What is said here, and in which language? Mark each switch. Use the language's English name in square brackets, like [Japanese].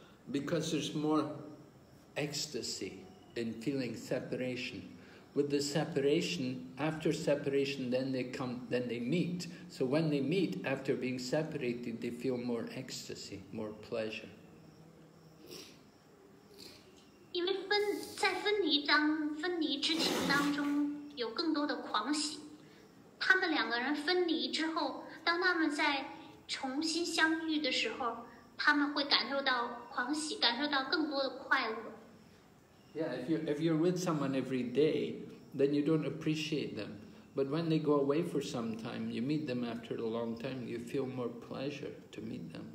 [English] Because there's more ecstasy in feeling separation. With the separation, after separation, then they meet. So when they meet, after being separated, they feel more ecstasy, more pleasure. [Chinese] 因为分在分离当分离之情当中有更多的狂喜，他们两个人分离之后，当他们在重新相遇的时候，他们会感受到狂喜，感受到更多的快乐。 [English] Yeah, if you're with someone every day, then you don't appreciate them. But when they go away for some time, you meet them after a long time, you feel more pleasure to meet them.